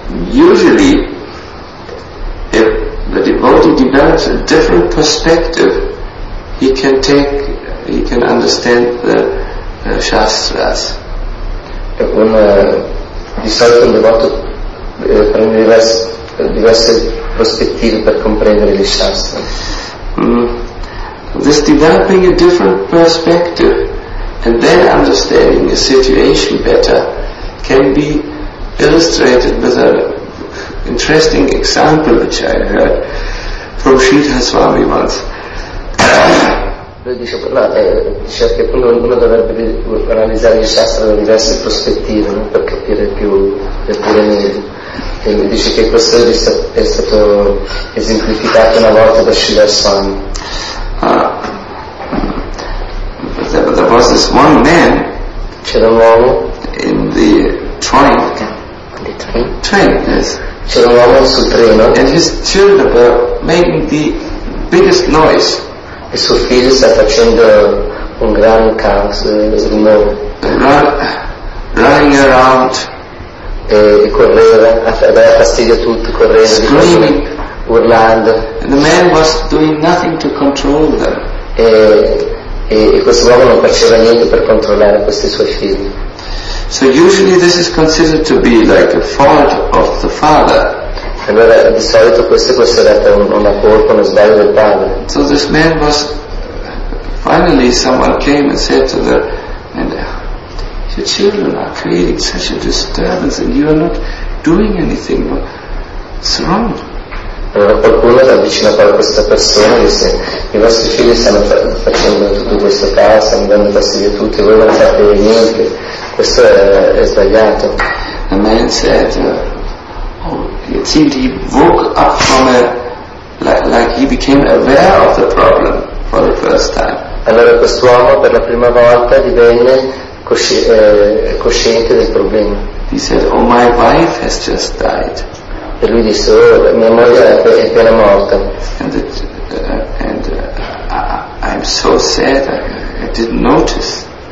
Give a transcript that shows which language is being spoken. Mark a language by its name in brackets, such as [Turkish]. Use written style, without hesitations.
[English] Usually if the devotee develops a different perspective, he can understand the shastras. [Italian] Di solito un devoto prende diverse prospettive per comprendere gli shastra. [English] This developing a different perspective and then understanding the situation better can be illustrated with an interesting example which I heard from Sri Swami once. [Italian] Lui dice, no, dice che appunto uno dovrebbe analizzare il shastra da diverse prospettive, no? Per capire più le problemi. E lui dice che questo è stato esemplificato una volta da Sri Swami. [English] There was this one man, [Italian] c'era un uomo [English] in the train. Yes. [Italian] C'era un uomo sul treno. [English] And his children were making the biggest noise. [Italian] E suo figlio sta facendo un gran caos, rumore. [English] Running around. [Italian] E correva, dava fastidio a tutti, correva. [English] Screaming. [Italian] Urlando. [English] And the man was doing nothing to control them. [Italian] E questo uomo non faceva niente per controllare questi suoi figli. [English] So usually this is considered to be like a fault of the father. [Italian] Allora di solito questo può essere una colpa, uno sbaglio del padre. [English] So this man was, finally someone came and said to the, and your children are creating such a disturbance and you are not doing anything, but it's wrong. [Italian] Allora qualcuno si avvicina a questa persona e disse, i vostri figli stanno facendo tutto questo caso, stanno dando fastidio a tutti, voi non fate niente, questo è sbagliato. [English] The man said, it seemed he woke up from a, like he became aware of the problem for the first time. [Italian] Allora quest'uomo per la prima volta divenne cosciente del problema. [English] He said, oh, my wife has just died. [Italian] E lui disse, oh, mia moglie è appena morta. [English] And I'm so sad, I didn't notice.